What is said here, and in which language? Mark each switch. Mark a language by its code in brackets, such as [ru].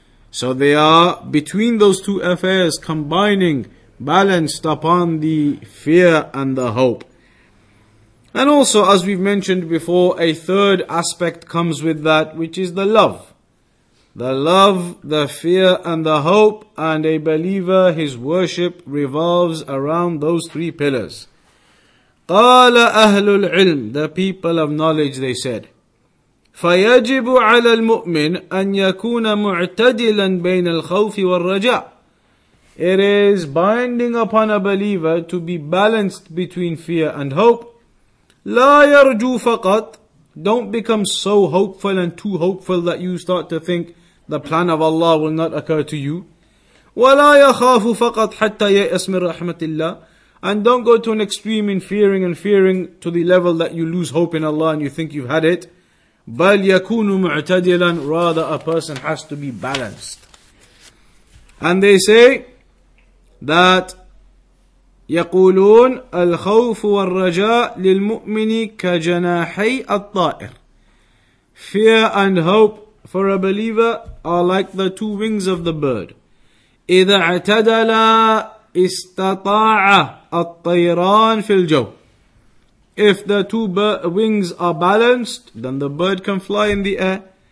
[en] So they are between those two affairs, combining, balanced upon the fear and the hope. And also, as we've mentioned before, a third aspect comes with that, which is the love. The love, the fear, and the hope, and a believer, his worship revolves around those three pillars. [ar] قال أهل العلم, [en] the people of knowledge, they said, [ar] فيجب على المؤمن أن يكون معتدلا بين الخوف والرجاء. [en] It is binding upon a believer to be balanced between fear and hope. [ar] لا يرجو فقط. [en] Don't become so hopeful and too hopeful that you start to think the plan of Allah will not occur to you. [ar] ولا يخاف فقط حتى ييأس من رحمة الله. [en] And don't go to an extreme in fearing to the level that you lose hope in Allah and you think you've had it. [ar] بل يكون معتدلا. [en] Rather, a person has to be balanced. And they say that [ar] يقولون الخوف والرجاء للمؤمن كجناحي الطائر. [en] Fear and hope for a believer are like the two wings of the bird. [ar] إِذَا اعْتَدَلَا إِسْتَطَاعَ الطَّيْرَانِ فِي الْجَوْ. [en] If the two wings are balanced, then the bird can fly in the air.